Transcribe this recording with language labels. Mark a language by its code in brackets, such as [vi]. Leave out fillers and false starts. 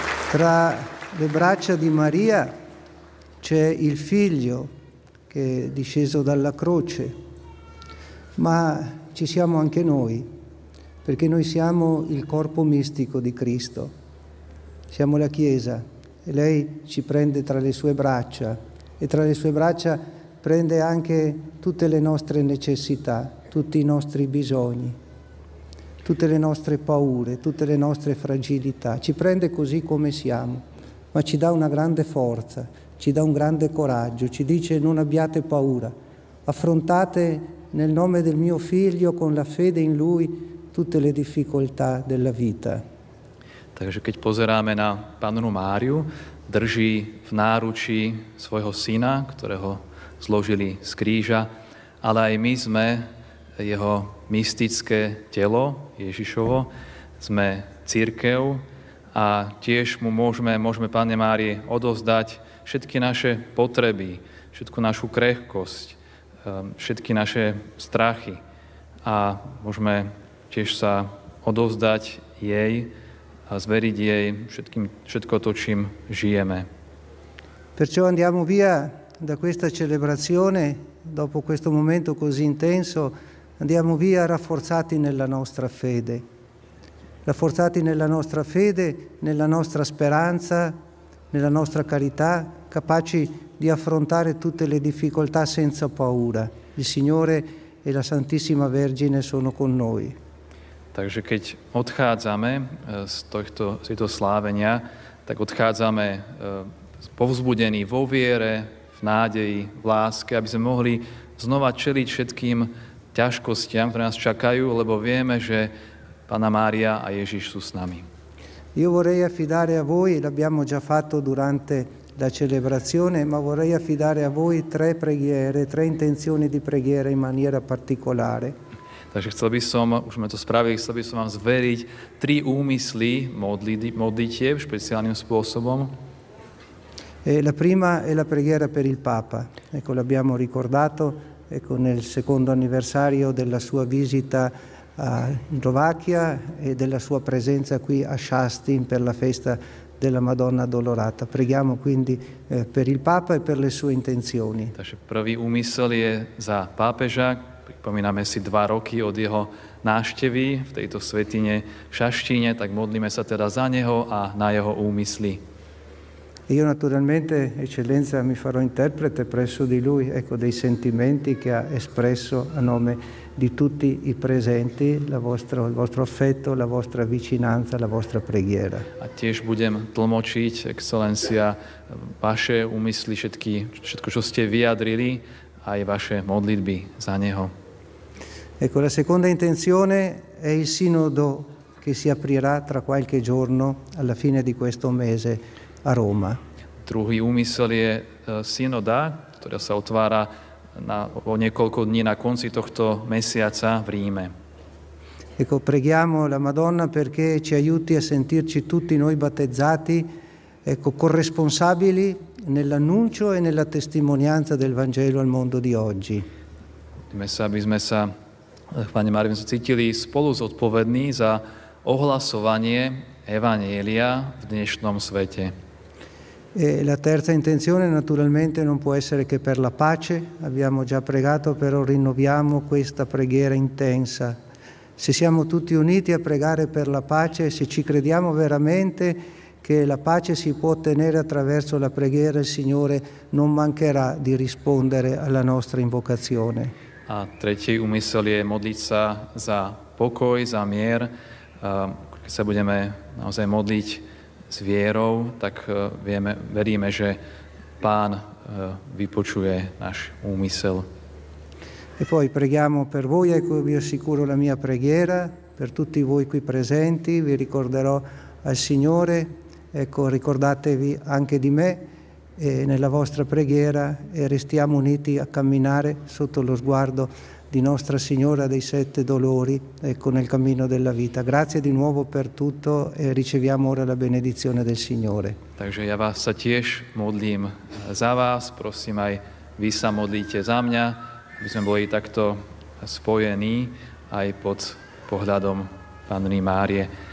[it] Tra le braccia di Maria c'è il figlio che è disceso dalla croce, ma ci siamo anche noi, perché noi siamo il corpo mistico di Cristo, siamo la Chiesa, e lei ci prende tra le sue braccia, e tra le sue braccia prende anche tutte le nostre necessità, tutti i nostri bisogni, tutte le nostre paure, tutte le nostre fragilità. Ci prende così come siamo, ma ci dà una grande forza, ci dà un grande coraggio, ci dice: non abbiate paura, affrontate nel nome del mio figlio, con la fede in lui, tutte le difficoltà della vita. [sk] Takže keď pozeráme na Pannu Máriu, drží v náručí svojho syna, ktorého zložili z kríža, ale aj my sme jeho mystické telo, Ježišovo, sme cirkev a tiež mu môžeme Panne Márii odovzdať všetky naše potreby, všetku našu krehkosť, všetky naše strachy a môžeme tiež sa odovzdať jej a zveriť jej všetko to, čím žijeme. [it] Perciò andiamo via da questa celebrazione dopo questo momento così intenso, andiamo via rafforzati nella nostra fede, rafforzati nella nostra fede, nella nostra speranza, nella nostra carità, capaci di affrontare tutte le difficoltà senza paura. Il Signore e la Santissima Vergine sono con noi. [sk] Takže keď odchádzame z tohto slávenia, tak odchádzame povzbudení vo viere, v nádeji, v láske, aby sme mohli znova čeliť všetkým ťažkostiam, ktoré nás čakajú, lebo vieme, že Panna Mária a Ježiš sú s nami. [it] Io vorrei affidare a voi, l'abbiamo già fatto durante la celebrazione, ma vorrei affidare a voi tre preghiere, tre intenzioni di preghiera in maniera particolare. [sk] Takže chcel by som, už sme to spravili, chcel by som vám zveriť tri úmysly modlitieb špeciálnym spôsobom. [it] La prima è la preghiera per il Papa. Ecco, l'abbiamo ricordato, ecco, nel secondo anniversario della sua visita a Slovacchia e della sua presenza qui a Šastin per la festa della Madonna Dolorata. Preghiamo quindi per il Papa e per le sue intenzioni. [sk] Takže prvý úmysel je za pápeža. Pripomíname si 2 roky od jeho návštevy v tejto svätine v Šaštine, tak modlíme sa teda za neho a na jeho úmysly. [it] Io naturalmente, eccellenza, mi farò interprete presso di lui, ecco, dei sentimenti che ha espresso a nome di tutti i presenti, il vostro affetto, la vostra vicinanza, la vostra preghiera. [sk] A tiež budem tlmočiť, excelencia, vaše úmysly, všetko, čo ste vyjadrili, aj vaše modlitby za neho. [it] Ecco, la seconda intenzione è il sinodo che si aprirà tra qualche giorno, alla fine di questo mese, a Roma. [sk] Druhý úmysel je synoda, ktorá sa otvára o niekoľko dní na konci tohto mesiaca v Ríme. [it] Ecco, preghiamo la Madonna perché ci aiuti a sentirci tutti noi battezzati, ecco, corresponsabili nell'annuncio e nella testimonianza del Vangelo al mondo di oggi. [sk] Pane Mário, sme sa cítili spolu zodpovední za ohlasovanie Evanjelia v dnešnom svete. [it] E la terza intenzione naturalmente non può essere che per la pace, abbiamo già pregato, però rinnoviamo questa preghiera intensa. Se siamo tutti uniti a pregare per la pace, se ci crediamo veramente che la pace si può ottenere attraverso la preghiera, il Signore non mancherà di rispondere alla nostra invocazione. [sk] A tretí úmysel je modliť sa za pokoj, za mier. Keď sa budeme naozaj modliť s vierou, tak veríme, že Pán vypočuje náš úmysel. [it] E poi preghiamo per voi, ecco, vi assicuro la mia preghiera, per tutti voi qui presenti, vi ricorderò al Signore, ecco, ricordatevi anche di me, e nella vostra preghiera e restiamo uniti a camminare sotto lo sguardo di Nostra Signora dei Sette Dolori, ecco, nel cammino della vita. Grazie di nuovo per tutto e riceviamo ora la benedizione del Signore. [sk] Takže ja vás sa tiež modlím za vás, prosím aj vy sa modlíte za mňa, aby sme boli takto spojení aj pod pohľadom Panny Márie.